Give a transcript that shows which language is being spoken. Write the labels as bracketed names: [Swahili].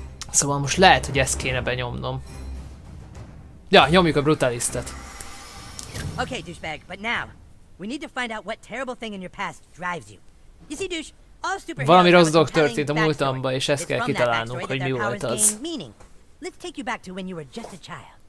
[Hungarian] Szóval most lehet, hogy ezt kéne benyomnom. Ja, nyomjuk a Brutalistet. [English] Okay, douchebag, but now we need to find out what terrible thing in your past drives you. You see, douche, all stupid. [Hungarian] Valami rossz dolog történt a múltamban, és ezt kell kitalálnunk, hogy mi volt az. [English] Let's take you back to when you were just a child.